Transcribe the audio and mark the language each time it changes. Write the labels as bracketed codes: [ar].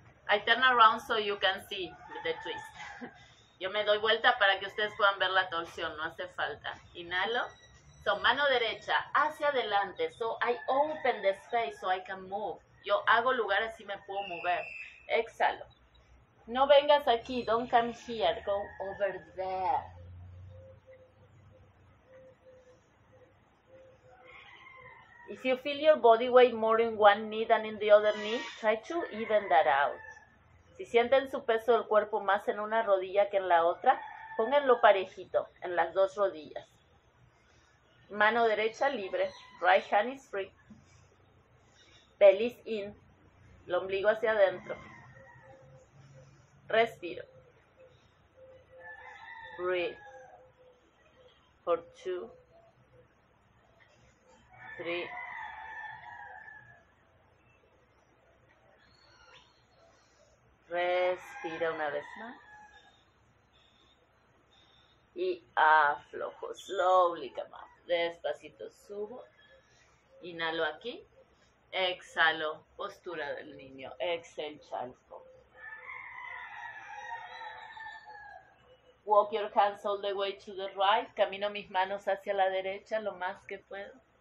[en] I turn around so you can see the twist. [es] Yo me doy vuelta para que ustedes puedan ver la torsión. No hace falta. Inhalo. So, mano derecha hacia adelante. [en] So, I open the space so I can move. [es] Yo hago lugar, así me puedo mover. Exhalo. No vengas aquí. [en] Don't come here. Go over there. If you feel your body weight more in one knee than in the other knee, try to even that out. [es] Si sienten su peso del cuerpo más en una rodilla que en la otra, pónganlo parejito en las dos rodillas. Mano derecha libre, [en] right hand is free. Pelvis in, [es] el ombligo hacia adentro. Respiro. [en] Breathe. For two. Three. [es] Respira una vez más. Y aflojo. [en] Slowly come up. [es] Despacito subo. Inhalo aquí. Exhalo. Postura del niño. [en] Exhale, child pose. Walk your hands all the way to the right. [es] Camino mis manos hacia la derecha lo más que puedo.